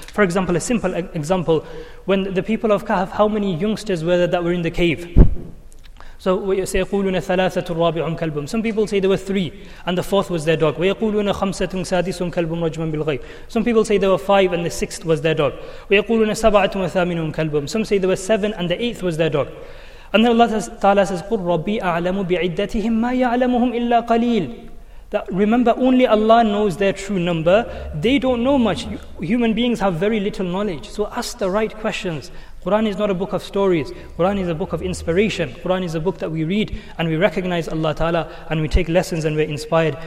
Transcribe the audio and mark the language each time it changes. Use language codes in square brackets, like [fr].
[en] For example, a simple example. When the people of Kahf, how many youngsters were there that were in the cave? [ar] So سَيَقُولُونَ ثَلَاثَةٌ رَابِعٌ كَلْبٌ. [en] Some people say there were three and the fourth was their dog. [ar] وَيَقُولُونَ خَمْسَةٌ سَادِسٌ كَلْبٌ رَجْمًا بِالْغَيْبِ. [en] Some people say there were five and the sixth was their dog. [ar] وَيَقُولُونَ سَبَعَةٌ وَثَامِنٌ كَلْبٌ. [en] Some say there were seven and the eighth was their dog. And then Allah Ta'ala says [ar] قُلْ رَبِّي أَعْلَمُ بِعِدَّتِهِمْ مَا يَعْلَمُهُمْ إِلَّا قَلِيلٌ. [en] That remember, only Allah knows their true number. They don't know much. Human beings have very little knowledge. So ask the right questions. Quran is not a book of stories. Quran is a book of inspiration. Quran is a book that we read and we recognize Allah Ta'ala and we take lessons and we're inspired.